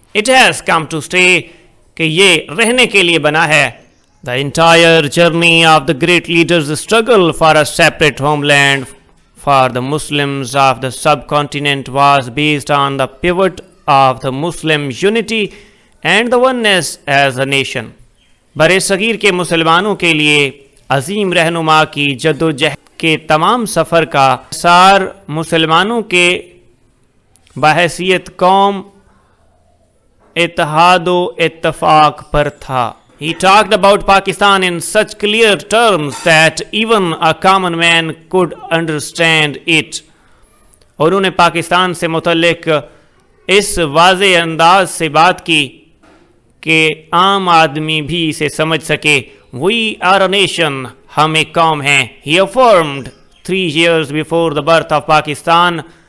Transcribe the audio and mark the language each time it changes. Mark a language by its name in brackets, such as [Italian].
[English] It has come to stay [Urdu] ke ye rehne ke liye bana hai. [English] The entire journey of the great leader's struggle for a separate homeland for the Muslims of the subcontinent was based on the pivot of the Muslim unity and the oneness as a nation. [Urdu] Bare Sagir ke Muslimanon ke liye عظیم رہنما کی جد و جہد کے تمام سفر کا سار مسلمانوں کے بحیثیت قوم اتحاد و اتفاق پر تھا [English] He talked about Pakistan in such clear terms that even a common man could understand it [Urdu] اور انہوں نے پاکستان سے متعلق اس واضح انداز سے بات کی کہ عام آدمی بھی اسے سمجھ سکے [English] We are a nation, [Urdu] hum ek kaum hain. [English] He affirmed 3 years before the birth of Pakistan.